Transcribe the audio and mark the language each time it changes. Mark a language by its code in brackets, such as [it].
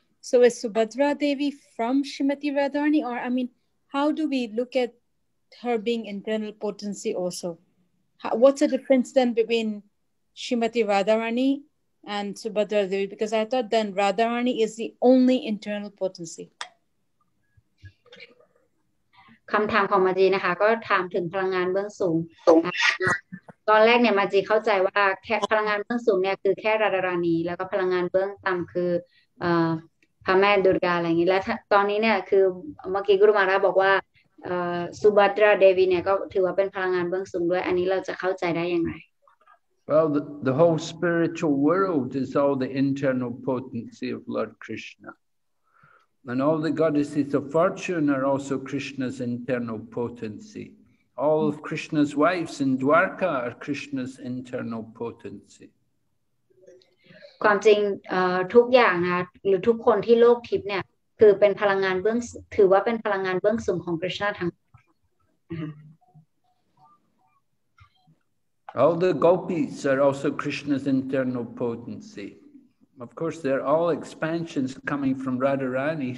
[en] So is Subhadra Devi from Srimati Radharani? Or, I mean, how do we look at her being internal potency also? What's the difference then between Srimati Radharani and Subhadra Devi? Because I thought then Radharani is the only internal potency. [th] คำถามของมาจีนะคะก็ถามถึงพลังงานเบื้องสูงตอนแรกเนี่ยมาจีเข้าใจว่าแค่พลังงานเบื้องสูงเนี่ยคือแค่ราดารานีแล้วก็พลังงานเบื้องต่ำคือพระแม่ดุร์กาอะไรอย่างนี้และตอนนี้เนี่ยคือเมื่อกี้กุรุมาราบอกว่าสุบัตราเดวีเนี่ยก็ถือว่าเป็นพลังงานเบื้องสูงด้วยอันนี้เราจะเข้าใจได้ยังไง [en] Well the whole spiritual world is all the internal potency of Lord Krishna and all the goddesses of fortune are also Krishna's internal potency. All of Krishna's wives in Dwarka are Krishna's internal potency. [th] ความจริงทุกอย่างนะหรือทุกคนที่โลกทิพย์เนี่ยคือเป็นพลังงานเบื้องถือว่าเป็นพลังงานเบื้องสูงของ Krishna ทั้ง [en] All the gopis are also Krishna's internal potency. Of course, they're all expansions coming from Radharani.